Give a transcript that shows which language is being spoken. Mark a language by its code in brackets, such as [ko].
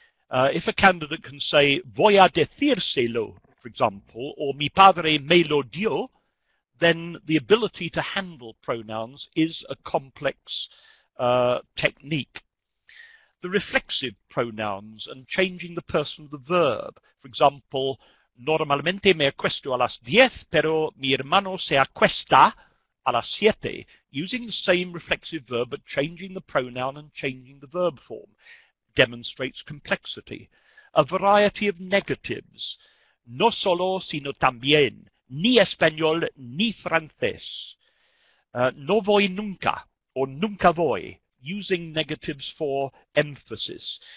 [en] If a candidate can say, [es] voy a decírselo, [en] for example, or [es] mi padre me lo dio, [en] then the ability to handle pronouns is a complex technique. The reflexive pronouns and changing the person of the verb. For example, [es] normalmente me acuesto a las 10, pero mi hermano se acuesta a las 7. [en] Using the same reflexive verb, but changing the pronoun and changing the verb form, demonstrates complexity. A variety of negatives. [es] No solo, sino también. Ni español, ni francés. No voy nunca, [en] or [es] nunca voy, [en] using negatives for emphasis.